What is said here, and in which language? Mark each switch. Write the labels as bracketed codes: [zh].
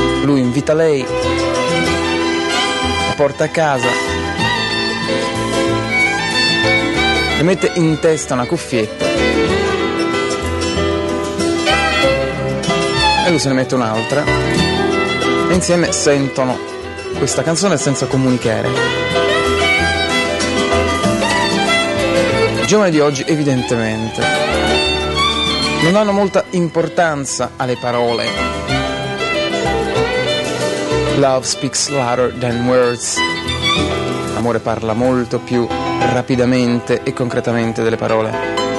[it] Lui invita lei, la porta a casa, le mette in testa una cuffietta e lui se ne mette un'altra, e insieme sentono questa canzone senza comunicare. I giovani di oggi evidentemente non danno molta importanza alle parole. [en] Love speaks louder than words. [it] L'amore parla molto più rapidamente e concretamente delle parole.